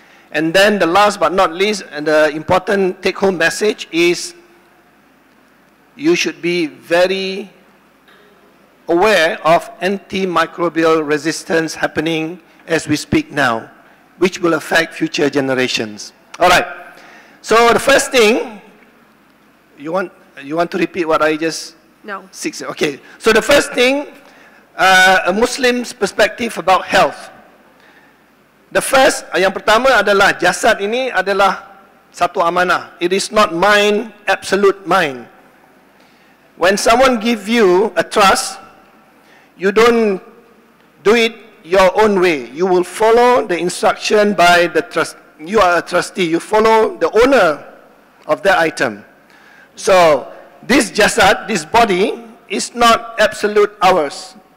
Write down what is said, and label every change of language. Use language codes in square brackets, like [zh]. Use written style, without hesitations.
[en] And then the last but not least, and the important take-home message is you should be very aware of antimicrobial resistance happening as we speak now, which will affect future generations. All right. So the first thing, you want to repeat what I just... No. Six, okay. So the first thing, a Muslim's perspective about health. The first, [id] yang pertama adalah jasad ini adalah satu amanah. [en] It is not mine, absolute mine. When someone give you a trust, you don't do it your own way. You will follow the instruction by the trust. You are a trustee. You follow the owner of that item. So this jasad, this body, is not absolute ours.